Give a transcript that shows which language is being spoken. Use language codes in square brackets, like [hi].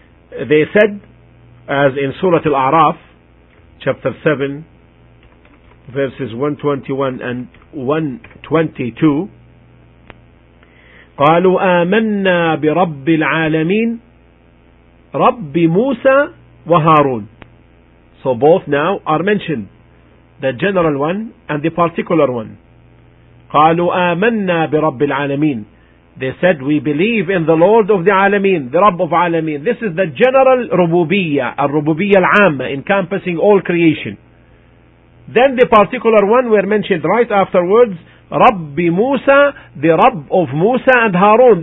[en] They said, as in Surah Al-A'raf, chapter 7, verses 121 and 122, [ar] قالوا آمنا برب العالمين رب موسى وهارون. [en] So both now are mentioned, the general one and the particular one. [ar] قالوا آمنا برب العالمين. [en] They said, we believe in the Lord of the Alameen, the Rabb of Alameen. This is the general rububiyyah, al-rububiyyah al-amma, encompassing all creation. Then the particular one were mentioned right afterwards, [ar] رب موسى, [en] the Rabb of Musa and Harun.